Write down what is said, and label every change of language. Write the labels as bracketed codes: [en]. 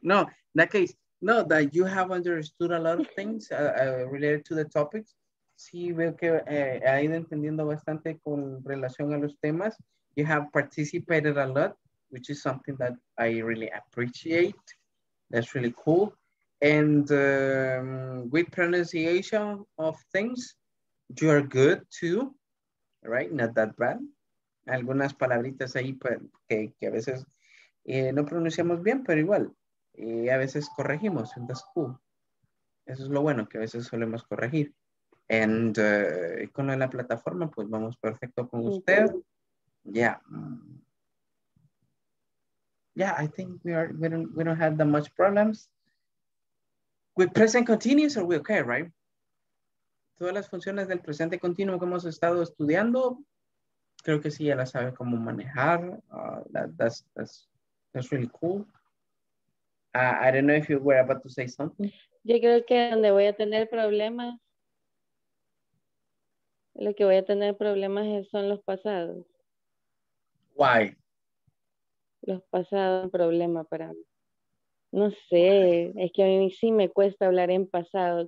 [en] No, in that case, no, that you have understood a lot of things related to the topics. [es] Sí, veo que ha ido entendiendo bastante con relación a los temas. [en] You have participated a lot, which is something that I really appreciate. That's really cool. And with pronunciation of things, you are good too, right? Not that bad. [es] Algunas palabritas ahí que a veces no pronunciamos bien, pero igual. Y a veces corregimos, and that's cool. Eso es lo bueno, que a veces solemos corregir. And con lo de la plataforma, pues vamos perfecto con usted. Mm-hmm. [en] Yeah, I think we don't have that much problems. With present continuous, are we okay, right? [es] Todas las funciones del presente continuo que hemos estado estudiando, creo que sí, ya la sabe cómo manejar. [en] That's really cool. I don't know if you were about to say something. [es] Yo creo que donde voy a tener problemas, lo que voy a tener problemas son los pasados. [en] Why? [es] Los pasados son problema para mí. No sé, es que a mí sí me cuesta hablar en pasado.